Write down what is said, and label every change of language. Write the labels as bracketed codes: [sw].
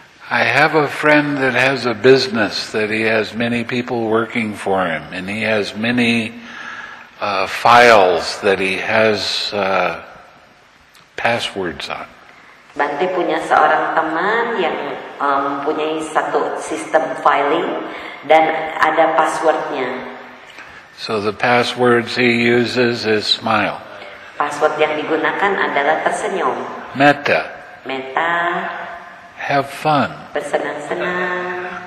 [en] I have a friend that has a business that he has many people working for him, and he has many files that he has passwords on. [id] Bante punya seorang teman yang punya satu sistem filing dan ada passwordnya. [en] So the passwords he uses is smile. [id] Password yang digunakan adalah tersenyum. Meta. Meta. [en] Have fun. [id] Bersenang-senang.